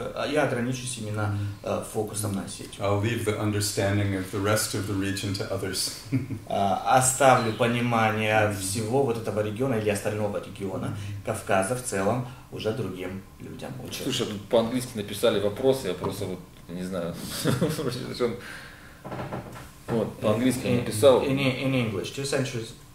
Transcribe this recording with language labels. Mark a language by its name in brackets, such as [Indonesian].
[Russian] Я ограничусь именно фокусом на Осетию. [English] I'll leave the understanding of the rest of the region to others. [Russian] Оставлю понимание всего вот этого региона или остального региона Кавказа в целом уже другим людям. Слушай, тут по-английски написали вопросы, я просто вот не знаю. Вот по-английски написал. [English] In English, 2 centuries.